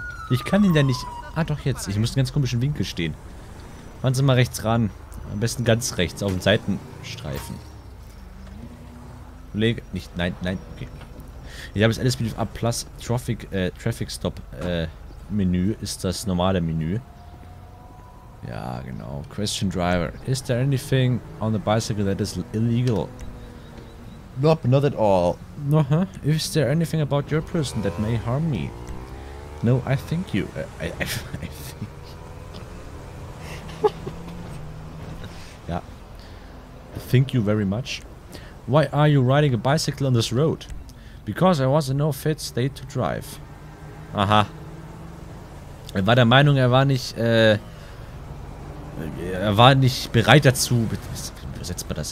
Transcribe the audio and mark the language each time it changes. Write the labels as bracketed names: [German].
[German] Ich kann ihn ja nicht... Ah, doch jetzt. Ich muss einen ganz komischen Winkel stehen. Fahren Sie mal rechts ran. Am besten ganz rechts auf den Seitenstreifen. Nein, okay. Ja, das LSPD A Plus Traffic, Traffic Stop Menü ist das normale Menü. Ja, genau. Question Driver. [English] Is there anything on the bicycle that is illegal? Nope, not at all. No, huh? Is there anything about your person that may harm me? No, I think you. I think. Yeah. Thank you very much. Why are you riding a bicycle on this road? Because I was in no fit state to drive. Aha. [German] Er war der Meinung, er war nicht bereit dazu. Übersetzt man das?